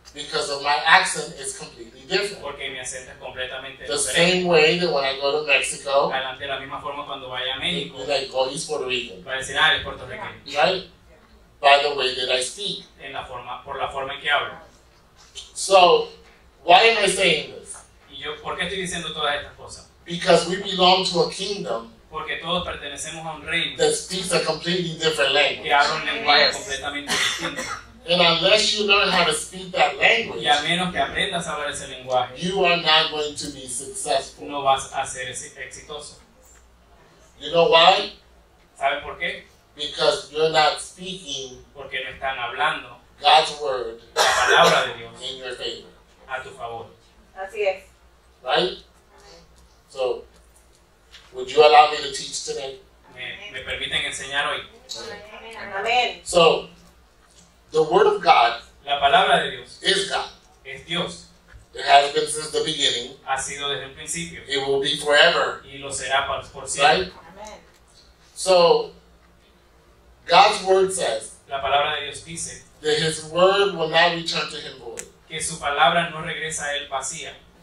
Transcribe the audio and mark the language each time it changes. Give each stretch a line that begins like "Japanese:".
English: Because of my accent is completely different.
Spanish: Porque mi acento es completamente
English: the
Spanish: diferente.
English: Same way that when I go to Mexico.
Spanish: De la misma forma cuando vaya a México.
English: That I go to Puerto Rico.
Spanish: Para decir, ah, es puertorriqueño.
English: Right? By the way that I speak.
Spanish: En la forma, por la forma en que hablo.
English: So, why am I saying this?
Spanish: Yo, ¿por qué estoy diciendo todas estas cosas?
English: Because we belong to a kingdom.
Spanish: Porque todos pertenecemos a un reino.
English: That speaks a completely different language.
Spanish: Que habla un lenguaje completamente distinto.
English: And unless you learn how to speak that language.
Spanish: Y a menos que aprendas a hablar ese lenguaje.
English: You are not going to be successful.
Spanish: No vas a ser exitoso.
English: You know why?
Spanish: ¿Saben por qué?
English: Because you're not speaking.
Spanish: Porque no están hablando.
English: God's word.
Spanish: La palabra de Dios.
English: In your favor.
Spanish: A tu favor. Así es.
English: Right? So, would you allow me to teach today?
Spanish: Me permiten enseñar hoy.
English: Amen. So, the word of God,
Spanish: la palabra de Dios,
English: is God.
Spanish: Es Dios.
English: It has been since the beginning.
Spanish: Ha sido desde el principio.
English: It will be forever.
Spanish: Y lo será por siempre.
English: Right? So, God's word says,
Spanish: la palabra de Dios dice,
English: That his word will not return to him void.
Spanish: Que su palabra no regresa a él vacía.